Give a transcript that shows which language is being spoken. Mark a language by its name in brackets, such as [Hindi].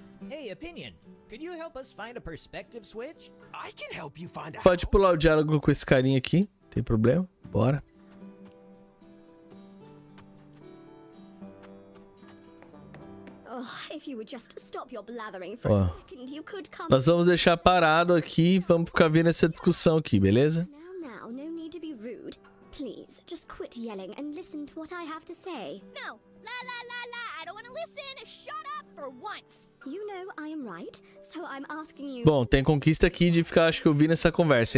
[English] Hey, Opinion, could you help us find a perspective switch? I can help you find a... [Portuguese] Pode pular o diálogo com esse carinha aqui, não tem problema. Bora. [English] Oh, if you would just stop your blathering for a second, you could come... [Portuguese] Nós vamos deixar parado aqui e vamos ficar vendo essa discussão aqui, beleza? [English] Now, no need to be rude. Please, just quit yelling and listen to what I have to say. No, la la la la, I don't want to listen. Shut up for once. You know I am right, so I'm asking you... [Portuguese] Bom, tem conquista aqui de ficar, acho que eu vi nessa conversa.